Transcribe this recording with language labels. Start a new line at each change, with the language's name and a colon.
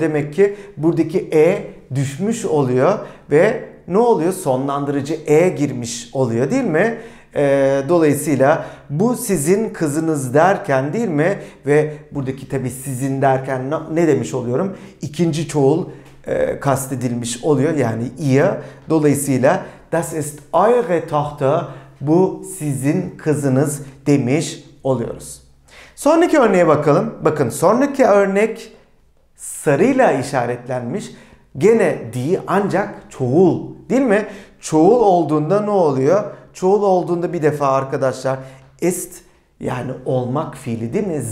Turkish: Demek ki buradaki e düşmüş oluyor ve ne oluyor? Sonlandırıcı e girmiş oluyor değil mi? Dolayısıyla bu sizin kızınız derken değil mi? Ve buradaki tabii sizin derken ne demiş oluyorum? İkinci çoğul kastedilmiş oluyor. Yani ihr. Dolayısıyla
German: das ist eure Tochter.
Turkish: Bu sizin kızınız demiş oluyoruz. Sonraki örneğe bakalım. Bakın sonraki örnek sarıyla işaretlenmiş. Gene die ancak çoğul değil mi? Çoğul olduğunda ne oluyor? Çoğul olduğunda bir defa arkadaşlar ist yani olmak fiili değil mi?